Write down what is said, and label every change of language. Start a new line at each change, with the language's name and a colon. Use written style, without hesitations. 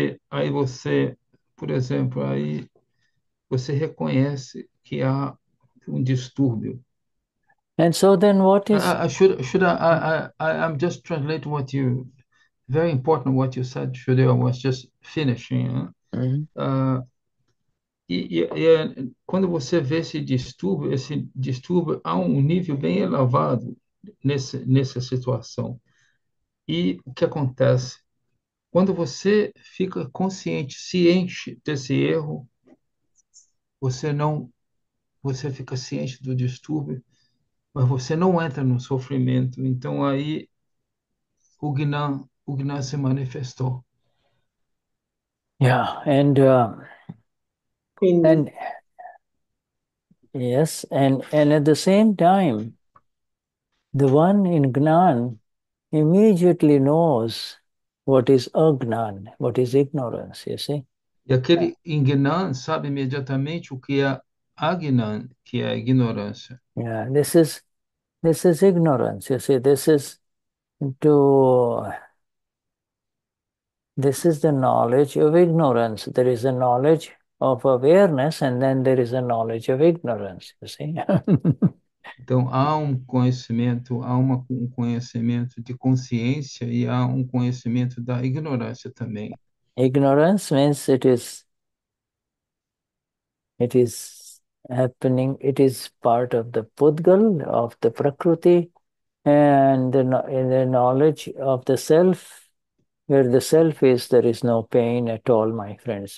Portuguese: Aí você, por exemplo, aí você reconhece que há um distúrbio.
English: And so then what is I'm just translate what you very important what you said, Shuddha. I was just finishing.
Portuguese: E quando você vê esse distúrbio há um nível bem elevado nessa situação. E o que acontece? Quando você fica consciente, ciente desse erro, você fica ciente do distúrbio, mas você não entra no sofrimento. Então aí o Gnã se manifestou.
English: Yeah, and yes, and at the same time, the one in Gnan immediately knows what is Agnan, what is ignorance, you see?
Portuguese: E aquele Ignan sabe imediatamente o que é Agnan, que é a ignorância.
English: Yeah, this is ignorance, you see, this is the knowledge of ignorance. There is a knowledge of awareness, and then there is a knowledge of ignorance, you see?
Portuguese: Então, há um conhecimento de consciência e há um conhecimento da ignorância também.
English: Ignorance means it is happening, it is part of the pudgal, of the prakriti, and the knowledge of the self. Where the self is, there is no pain at all, my friends.